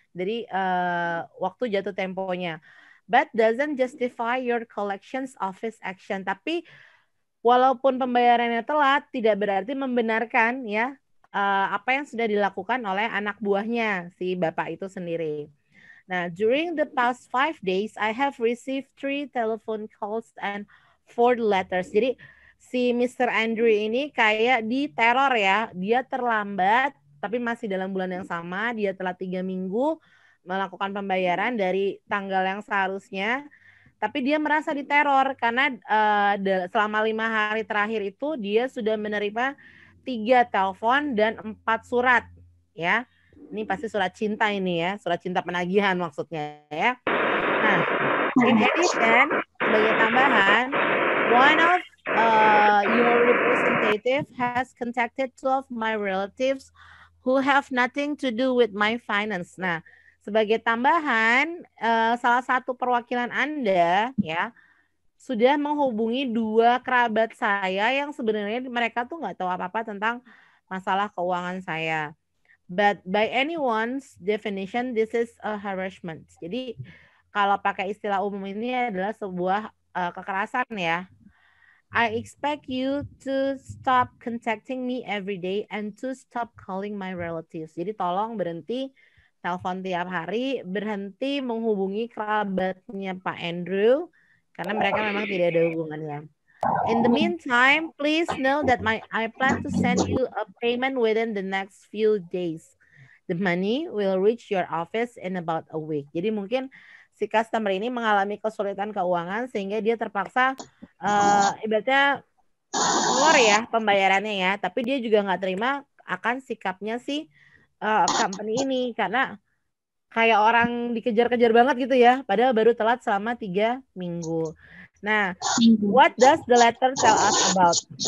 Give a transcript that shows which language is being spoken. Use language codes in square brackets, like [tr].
[id] Dari waktu jatuh temponya. [en] But doesn't justify your collections office action. [id] Tapi walaupun pembayarannya telat, tidak berarti membenarkan ya apa yang sudah dilakukan oleh anak buahnya, si bapak itu sendiri. [en] Nah, during the past 5 days, I have received 3 telephone calls and 4 letters. [id] Jadi, si Mr. Andrew ini kayak diteror ya. Dia terlambat, tapi masih dalam bulan yang sama. Dia telah 3 minggu melakukan pembayaran dari tanggal yang seharusnya. Tapi dia merasa diteror karena selama 5 hari terakhir itu, dia sudah menerima 3 telepon dan 4 surat ya. Ini pasti surat cinta ini ya, surat cinta penagihan maksudnya ya. [en] Nah, in addition, [id] sebagai tambahan, [en] one of your representative has contacted 12 my relatives who have nothing to do with my finance. [id] Nah, sebagai tambahan, salah satu perwakilan Anda ya sudah menghubungi 2 kerabat saya yang sebenarnya mereka tuh nggak tahu apa-apa tentang masalah keuangan saya. [en] But by anyone's definition, this is a harassment. [id] Jadi kalau pakai istilah umum ini adalah sebuah kekerasan ya. [en] I expect you to stop contacting me every day and to stop calling my relatives. [id] Jadi tolong berhenti telepon tiap hari, berhenti menghubungi kerabatnya Pak Andrew karena mereka memang tidak ada hubungannya. [en] In the meantime, please know that I plan to send you a payment within the next few days. The money will reach your office in about a week. [id] Jadi mungkin si customer ini mengalami kesulitan keuangan sehingga dia terpaksa ibaratnya keluar ya pembayarannya ya. Tapi dia juga nggak terima akan sikapnya si company ini karena kayak orang dikejar-kejar banget gitu ya. Padahal baru telat selama 3 minggu. [en] Nah, what does the letter tell us about?